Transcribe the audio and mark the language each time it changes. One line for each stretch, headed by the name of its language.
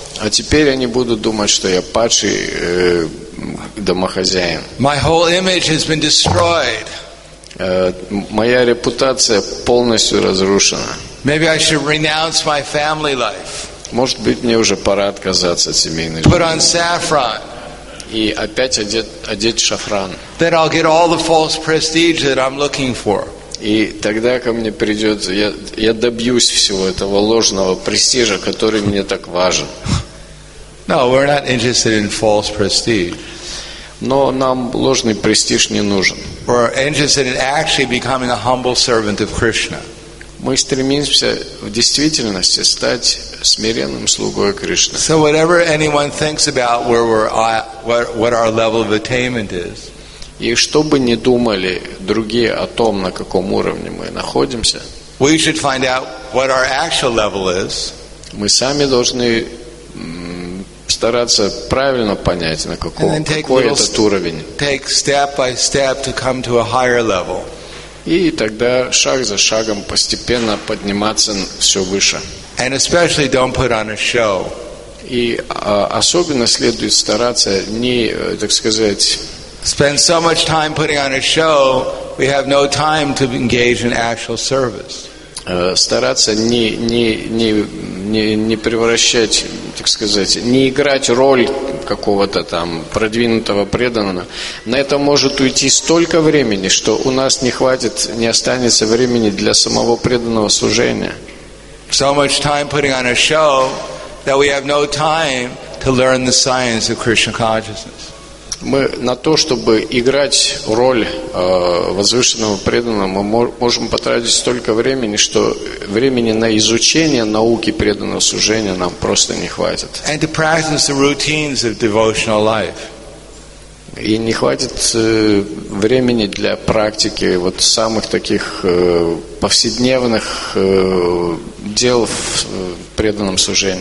Russian: А теперь они будут думать, что я падший домохозяин.
English: My whole image has been destroyed.
Russian: моя репутация полностью разрушена.
English: Maybe I should renounce my family life.
Russian: Может быть, мне уже пора отказаться от семейной жизни.
English: Put on saffron.
Russian: И опять одеть шафран.
English: Then I'll get all the false prestige that I'm looking for.
Russian: И тогда ко мне придет, я добьюсь всего этого ложного престижа, который мне так важен.
English: No, we're not interested in false prestige.
Russian: Но нам ложный престиж не нужен.
English: We're interested in actually becoming a humble servant of Krishna.
Russian: Мы стремимся в действительности стать смиренным слугой Кришны.
English: So whatever anyone thinks about where we're at, what our level of attainment is.
Russian: И что бы ни думали другие о том, на каком уровне мы находимся,
English: we should find out what our actual level is.
Russian: Мы сами должны стараться правильно понять, на каком, какой этот уровень.
English: Take step by step to come to a higher level.
Russian: И тогда шаг за шагом постепенно подниматься все выше.
English: And especially don't put on a show.
Russian: И особенно следует стараться не, так сказать,
English: spend so much time putting on a show, we have no time to engage in actual service.
Russian: Стараться не превращать, так сказать, не играть роль какого-то там продвинутого преданного. На это может уйти столько времени, что у нас не хватит, не останется времени для самого преданного служения.
English: So much time putting on a show that we have no time to learn the science of Krishna consciousness.
Russian: Мы на то, чтобы играть роль возвышенного преданного, мы можем потратить столько времени, что времени на изучение науки преданного служения нам просто не хватит.
English: And to practice the routines of devotional life.
Russian: И не хватит времени для практики вот самых таких повседневных дел в преданном служении.